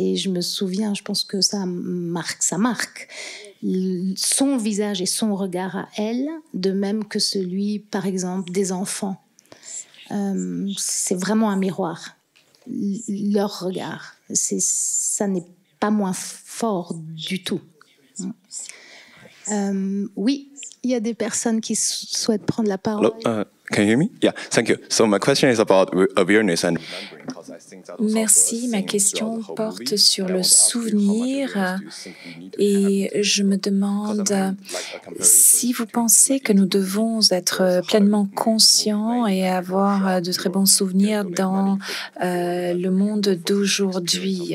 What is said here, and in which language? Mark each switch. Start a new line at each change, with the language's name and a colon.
French: Et je me souviens, je pense que ça marque son visage et son regard à elle, de même que celui, par exemple, des enfants. C'est vraiment un miroir, leur regard. Ça n'est pas moins fort du tout. Oui, il y a des personnes qui souhaitent prendre la parole.
English: Hello, can you hear me? Yeah, thank you. So my question is about awareness and...
French: Merci, ma question porte sur le souvenir et je me demande si vous pensez que nous devons être pleinement conscients et avoir de très bons souvenirs dans le monde d'aujourd'hui.